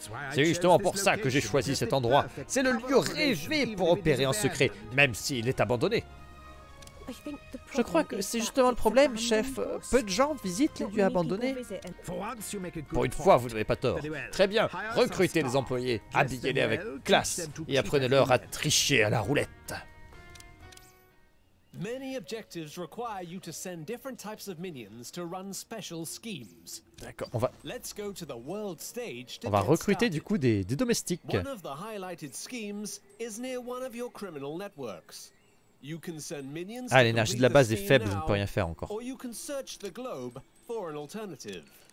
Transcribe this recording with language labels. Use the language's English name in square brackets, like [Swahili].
[French] C'est justement pour ça que j'ai choisi cet endroit. C'est le lieu rêvé pour opérer en secret, même s'il est abandonné. Je crois que c'est justement le problème, chef. Peu de gens visitent les lieux abandonnés. Pour une fois, vous n'avez pas tort. Très bien, recrutez les employés, habillez-les avec classe et apprenez-leur à tricher à la roulette. [English] Many objectives require you to send different types of minions to run special schemes. [French] D'accord, on va. [English] Let's go to the world stage to. [French] On va recruter du coup des domestiques. [English] One of the highlighted schemes is near one of your criminal networks. You can send minions. [French] Ah, l'énergie de la base est faible, je ne peux rien faire encore. [English] Or you can search the globe for an alternative.